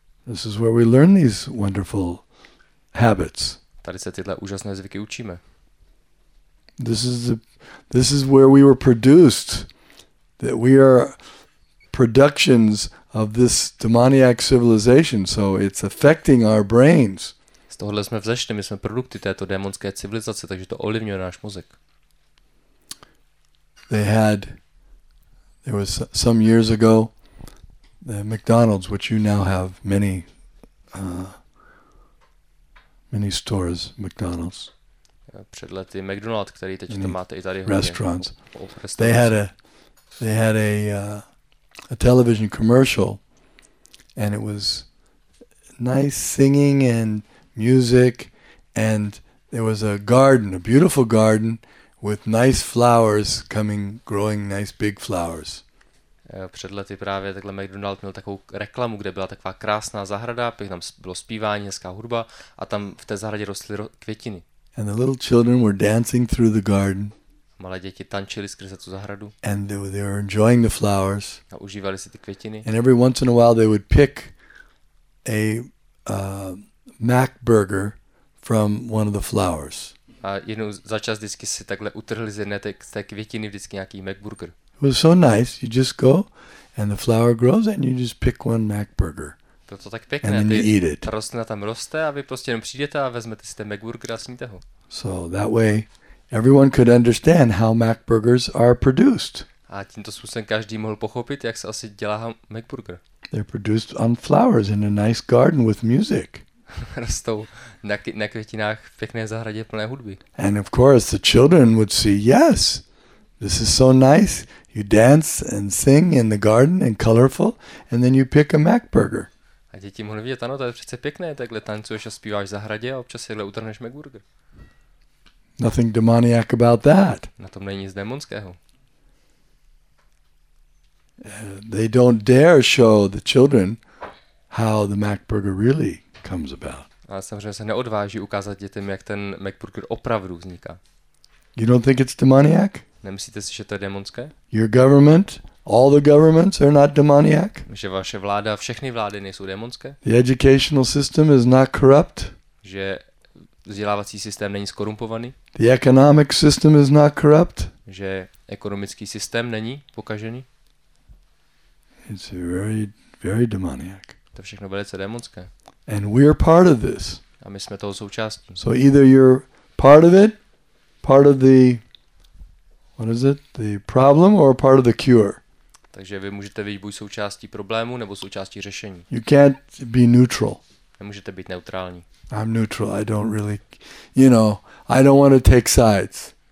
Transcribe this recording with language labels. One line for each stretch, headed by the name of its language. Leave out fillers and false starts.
English: This is where we learn these wonderful habits.
Czech: Tady se tyhle úžasné zvyky učíme.
English: This is where we were produced. That we are productions of this demoniac civilization, so it's affecting our brains.
Czech: Z tohohle jsme vzešli, my jsme produkty této démonské civilizace, takže to ovlivňuje náš mozek.
English: There was some years ago the McDonald's, which you now have many stores, McDonald's.
Czech: Před lety McDonald's, který teď to máte i tady hodně.
English: Restaurants. They had a television commercial, and it was nice singing and music, and there was a garden, a beautiful garden, with nice flowers coming, growing nice big flowers.
Czech: Před lety právě takhle McDonald měl takovou reklamu, kde byla taková krásná zahrada, tam bylo zpívání, hezká hudba, a tam v té zahradě rostly květiny.
English: And the little children were dancing through the garden.
Czech: Malé děti tančily skrze tu zahradu.
English: And they were enjoying the flowers.
Czech: A užívali si ty květiny.
English: And every once in a while they would pick a Mac burger from one of the flowers.
Czech: A jednou za čas vždycky si takhle utrhli z jedné té květiny vždycky nějaký Mac burger.
English: It was so nice. You just go and the flower grows and you just pick one Mac burger.
Czech: Bylo to tak pěkné.
English: And then you eat it.
Czech: Ta rostlina tam roste a vy prostě jenom přijdete a vezmete si ten Mac burger a sníte ho.
English: So that way everyone could understand how Mac burgers are produced.
Czech: A tímto způsobem každý mohl pochopit, jak se asi dělá Mac burger.
English: They're produced on flowers in a nice garden with music.
Czech: Rostou na květinách v pěkné zahradě plné hudby.
English: And of course the children would see, yes, this is so nice. You dance and sing in the garden and colorful, and then you pick a Mac burger.
Czech: A děti mohly vidět, ano, to je přece pěkné, takhle tancuješ a zpíváš v zahradě a občas jedle utrhneš Mac burger.
English: Nothing demoniac about that.
Czech: Na tom není nic démonského.
English: They don't dare show the children how the Mac burger really comes about.
Czech: Ale samozřejmě se neodváží ukázat dětem, jak ten Mac burger opravdu vzniká.
English: You don't think it's demoniac?
Czech: Nemyslíte si, že to je démonské?
English: Your government, all the governments are not demoniac?
Czech: Že vaše vláda, všechny vlády nejsou démonské?
English: The educational system is not corrupt?
Czech: Že vzdělávací systém není skorumpovaný?
English: The economic system is not corrupt?
Czech: Že ekonomický systém není pokažený?
English: It's very, very demoniac.
Czech: To všechno velice démonské.
English: And we're part of this.
Czech: A my jsme toho součástí.
English: So either you're part of it, part of the, what is it, the problem or part of the cure.
Czech: Takže vy můžete být buď součástí problému nebo součástí řešení.
English: You can't be neutral.
Czech: Nemůžete být neutrální.
English: I'm neutral. I don't really, you know, I don't want to take sides.